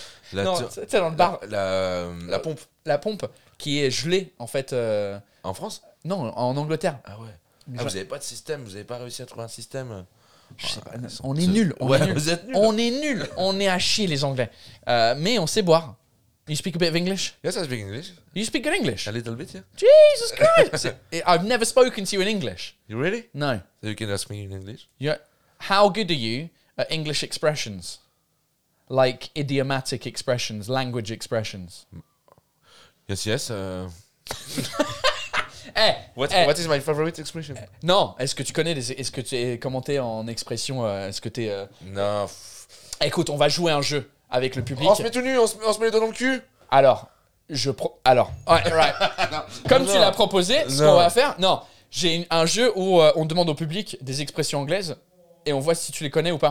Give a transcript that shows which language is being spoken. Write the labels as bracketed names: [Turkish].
[French] C'est dans le bar. La pompe. La pompe qui est gelée, en fait. En France? Non, en Angleterre. Ah ouais. Ah, vous avez pas de système, vous avez pas réussi à trouver un système. On est nul. On est à chier, les Anglais. Mais on sait boire. [English] You speak a bit of English? Yes, I speak English. You speak good English? A little bit, yeah. Jesus Christ! I've never spoken to you in English. You really? No. So you can ask me in English? Yeah. How good are you at English expressions? Like idiomatic expressions, language expressions? Yes, yes. What is my favorite expression? [French] Non, est-ce que tu connais des, est-ce que tu es commenté en expression est-ce que tu es Non. Écoute, on va jouer un jeu avec le public. On se met tout nu, on se met les doigts dans le cul. Alors, right. Tu l'as proposé, ce qu'on va faire. Non, j'ai un jeu où on demande au public des expressions anglaises et on voit si tu les connais ou pas.